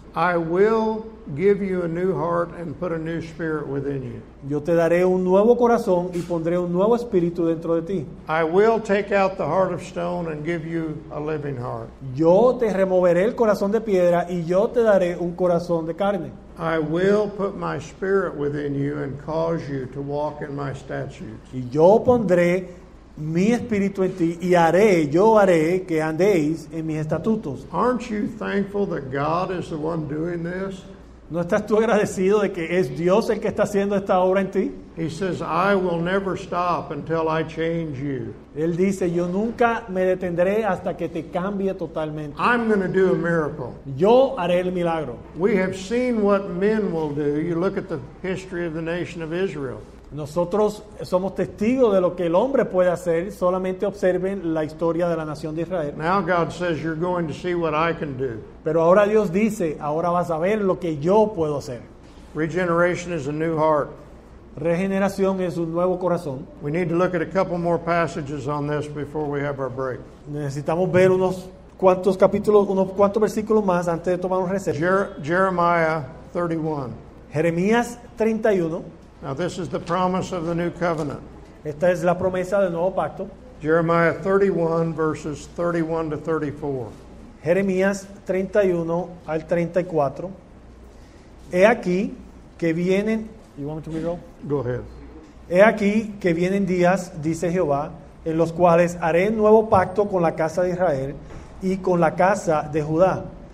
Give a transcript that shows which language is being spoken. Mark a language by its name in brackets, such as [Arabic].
[English] I will give you a new heart and put a new spirit within you. [Spanish] Yo te daré un nuevo corazón y pondré un nuevo espíritu dentro de ti. [English] I will take out the heart of stone and give you a living heart. [Spanish] Yo te removeré el corazón de piedra y yo te daré un corazón de carne. [English] I will put my spirit within you and cause you to walk in my statutes. [Spanish] Y yo pondré mi espíritu en ti y haré, yo haré que andéis en mis estatutos. [English] Aren't you thankful that God is the one doing this? [Spanish] ¿No estás tú agradecido de que es Dios el que está haciendo esta obra en ti? [English] He says, I will never stop until I change you. [Spanish] Él dice, yo nunca me detendré hasta que te cambie totalmente. [English] I'm going to do a miracle. [Spanish] Yo haré el milagro. [English] We have seen what men will do. You look at the history of the nation of Israel. [Spanish] Nosotros somos testigos de lo que el hombre puede hacer. Solamente observen la historia de la nación de Israel. [English] Now God says you're going to see what I can do. [Spanish] Pero ahora Dios dice, ahora vas a ver lo que yo puedo hacer. [English] Regeneration is a new heart. [Spanish] Regeneración es un nuevo corazón. [English] We need to look at a couple more passages on this before we have our break. [Spanish] Necesitamos ver unos cuantos versículos más antes de tomar un receso. [English] Jeremiah 31. [Spanish] Jeremías 31. [English] Now this is the promise of the new covenant. [Spanish] Esta es la promesa del nuevo pacto. [English] Jeremiah 31 verses 31 to 34. [Spanish] Jeremías 31 al 34. He aquí que vienen. [English] You want me to read it? Go ahead. [Spanish] He aquí que vienen días, dice Jehová, en los cuales haré nuevo pacto con la casa de Israel y con la casa de Judá.